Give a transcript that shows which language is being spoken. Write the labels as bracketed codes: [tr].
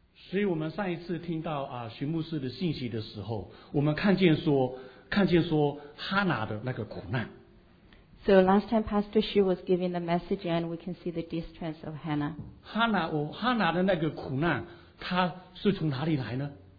[zh] 所以我们上一次听到徐牧师的信息的时候，我们看见说哈拿的那个苦难。 [en] So last time Pastor Xu was giving the message and we can see the distress of Hannah. [zh] 哈拿的那个苦难，他是从哪里来呢